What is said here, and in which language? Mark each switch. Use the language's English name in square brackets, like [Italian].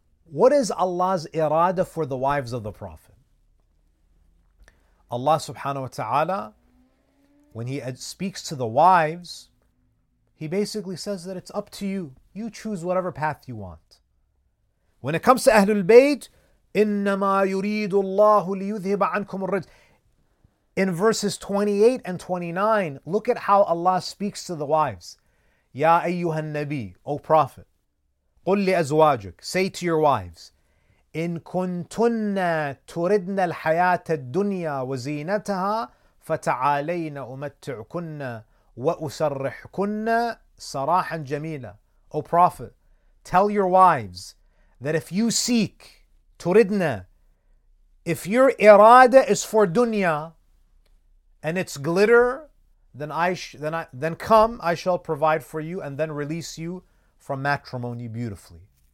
[English] What is Allah's irada for the wives of the Prophet? Allah subhanahu wa ta'ala, when He speaks to the wives, He basically says that it's up to you. You choose whatever path you want. When it comes to Ahlul Bayt, [Arabic] إِنَّمَا يُرِيدُ اللَّهُ لِيُذْهِبَ عَنْكُمُ الرِّجْسَ. [English] In verses 28 and 29, look at how Allah speaks to the wives. [Arabic] Ya أَيُّهَا النَّبِي, [English] O Prophet, [Arabic] قُلْ لِأَزْوَاجِكَ, [English] say to your wives, [Arabic] إِن كُنْتُنَّ تُرِدْنَ الْحَيَاةَ الدُّنْيَا وَزِينَتَهَا فَتَعَالَيْنَ أُمَتِّعْكُنَّ وَأُسَرِّحْكُنَّ صَرَاحًا جَمِيلًا. [English] O Prophet, tell your wives that if you seek turidna, if your irada is for dunya and its glitter, then I shall provide for you and then release you from matrimony beautifully.